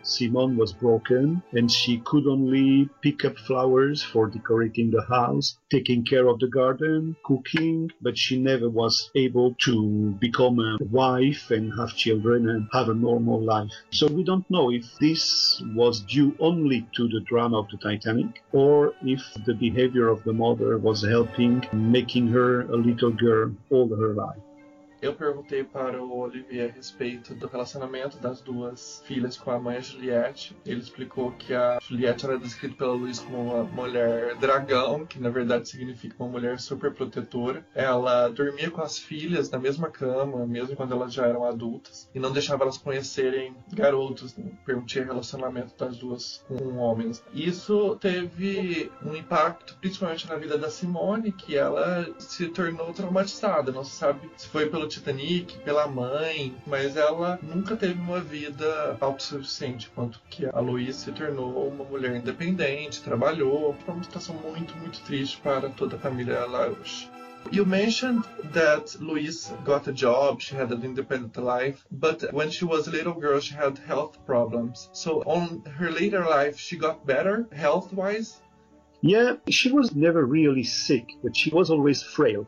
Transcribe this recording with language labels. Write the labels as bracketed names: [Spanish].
[English] Simone was broken, and she could only pick up flowers for decorating the house, taking care of the garden, cooking, but she never was able to become a wife and have children and have a normal life. So we don't know if this was due only to the drama of the Titanic, or if the behavior of the mother was helping making her a little girl all her life. [Portuguese] Eu perguntei para o Olivier a respeito do relacionamento das duas filhas com a mãe Juliette. Ele explicou que a Juliette era descrita pela Louise como uma mulher dragão, que na verdade significa uma mulher super protetora. Ela dormia com as filhas na mesma cama, mesmo quando elas já eram adultas, e não deixava elas conhecerem garotos, né? Permitia relacionamento das duas com homens. Isso teve um impacto principalmente na vida da Simone, que ela se tornou traumatizada. Não se sabe se foi pelo Titanic, pela mãe, mas ela nunca teve uma vida autossuficiente, quanto que a Louise se tornou uma mulher independente, trabalhou. Foi uma situação muito, muito triste para toda a família LaRouche. [English] You mentioned that Louise got a job, she had an independent life, but when she was a little girl, she had health problems. So on her later life, she got better health-wise? Yeah, she was never really sick, but she was always frail.